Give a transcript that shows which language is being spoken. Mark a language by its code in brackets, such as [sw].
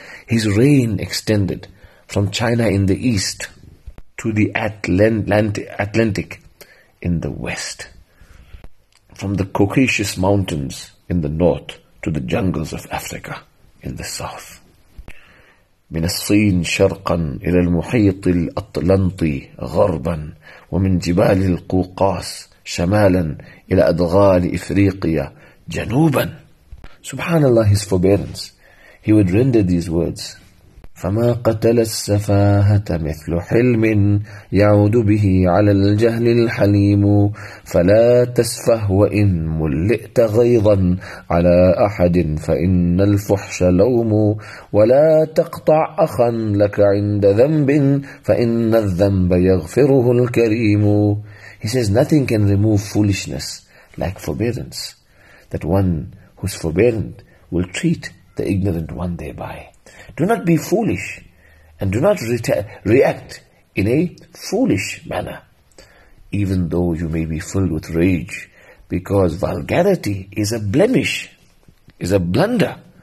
[en] His reign extended from China in the east to the Atlantic in the west, from the Caucasus Mountains in the north to the jungles of Africa in the south. [ar] من الصين شرقا إلى المحيط الأطلنطي غربا ومن جبال القوقاس شمالا إلى أدغال إفريقيا جنوبا. [en] Subhanallah, his forbearance. He would render these words. [ar] فما قتل السفاهة مثل حلم يعود به على الجهل الحليم فلا تسفه وإن ملئت غيظا على أحد فإن الفحش لوم ولا تقطع أخا لك عند ذنب فإن الذنب يغفره الكريم. [en] He says nothing can remove foolishness like forbearance, that one who's forbearant will treat the ignorant one thereby. Do not be foolish and do not react in a foolish manner. even though you may be filled with rage, because vulgarity is a blemish, is a blunder.